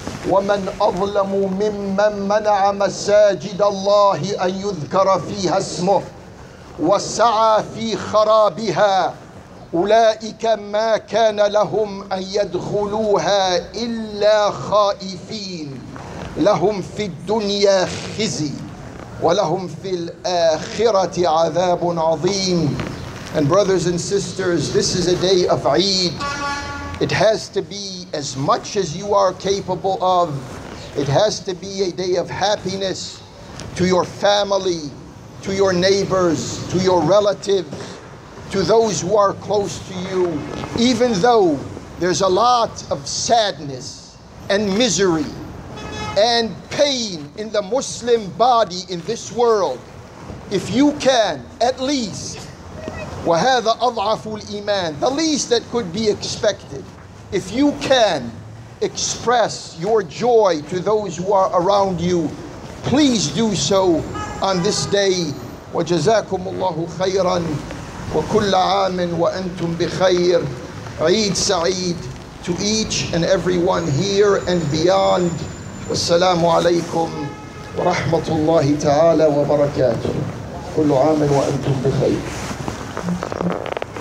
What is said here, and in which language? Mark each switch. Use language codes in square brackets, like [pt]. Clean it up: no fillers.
[ar] ومن أظلم ممن منع مساجد الله أن يذكر فيها اسمه وسعى في خرابها أولئك ما كان لهم أن يدخلوها إلا خائفين. لهم في الدنيا خزي ولهم في الآخرة عذاب عظيم. [en] And brothers and sisters, this is a day of Eid. It has to be as much as you are capable of. It has to be a day of happiness to your family, to your neighbors, to your relatives. to those who are close to you, even though there's a lot of sadness and misery and pain in the Muslim body in this world, if you can, at least, [ar] وَهَذَا أَضْعَفُ الْإِيمَانِ, [en] the least that could be expected, if you can express your joy to those who are around you, please do so on this day. [ar] وَجَزَاكُمُ اللَّهُ خَيْرًا وَكُلَّ عَامٍ وَأَنْتُمْ بِخَيْرٍ عِيد سَعِيد [en] to each and everyone here and beyond. [ar] وَالسَّلَامُ عَلَيْكُمْ وَرَحْمَةُ اللَّهِ تَعَالَى وَبَرَكَاتُهُ كُلُّ عَامٍ وَأَنْتُمْ بِخَيْرٍ. [en] Thank you.